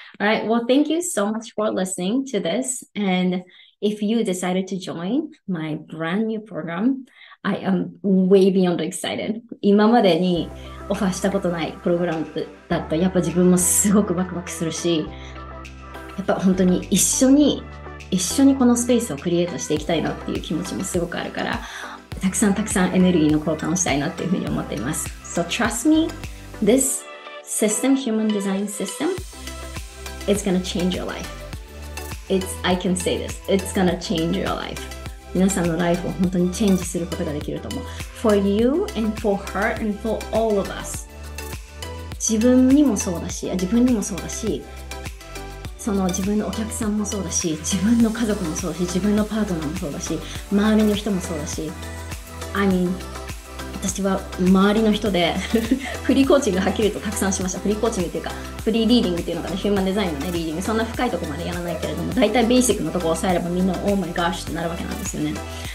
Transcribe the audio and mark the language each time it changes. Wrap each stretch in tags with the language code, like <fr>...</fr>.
<en>Alright, well, thank you so much for listening to this. And if you decided to join my brand new program, I am way beyond excited.</en> <ja>今までにオファーしたことないプログラムだとやっぱ自分もすごくワクワクするし、やっぱ本当に一緒にこのスペースをクリエイトしていきたいなっていう気持ちもすごくあるから、たくさんたくさんエネルギーの交換をしたいなっていうふうに思っています。</ja> <en>So trust me, this system, human design system, it's gonna change your life. I can say this, it's gonna change your life.</en> <ja>皆さんのライフを本当にチェンジすることができると思う。</ja> <en>For you and for her and for all of us.</en> <ja>自分にもそうだし、自分にもそうだし、その自分のお客さんもそうだし、自分の家族もそうだし、自分のパートナーもそうだし、周りの人もそうだし、私は周りの人でフリーコーチングはっきり言うとたくさんしました。フリーコーチングっていうかフリーリーディングっていうのかな、ヒューマンデザインのねリーディング、そんな深いところまでやらないけれども、だいたいベーシックのところを抑えればみんなオーマイガーシュってなるわけなんですよね。</ja>